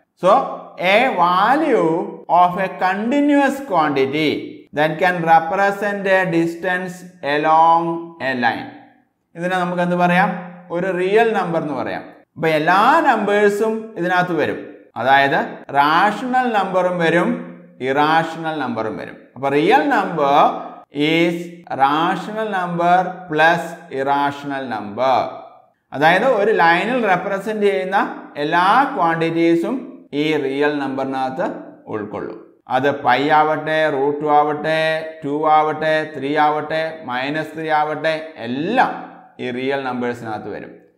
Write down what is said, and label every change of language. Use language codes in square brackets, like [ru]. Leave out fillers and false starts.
[en] so a value of a continuous quantity that can represent a distance along a line, [ml] ഇതിനെ നമുക്ക് എന്ത് പറയാം? ഒരു റിയൽ നമ്പർ എന്ന് പറയാം. അപ്പോൾ എല്ലാ നമ്പേഴ്സും ഇതിനകത്ത് വരും. അതായത് റാഷണൽ നമ്പറും വരും, ഇറാഷണൽ നമ്പറും വരും. അപ്പോൾ real number [en] is rational number plus irrational number. [ml] അതായത് ഒരു ലൈനിൽ റെപ്രസെന്റ് ചെയ്യുന്ന എല്ലാ ക്വാണ്ടിറ്റീസും ഈ റിയൽ നമ്പറിനകത്ത് ഉൾക്കൊള്ളും. അത് പൈ ആവട്ടെ, റൂട്ട് ടു ആവട്ടെ, ടു ആവട്ടെ, ത്രീ ആവട്ടെ, മൈനസ് ത്രീ ആവട്ടെ, എല്ലാം ഈ റിയൽ നമ്പേഴ്സിനകത്ത് വരും.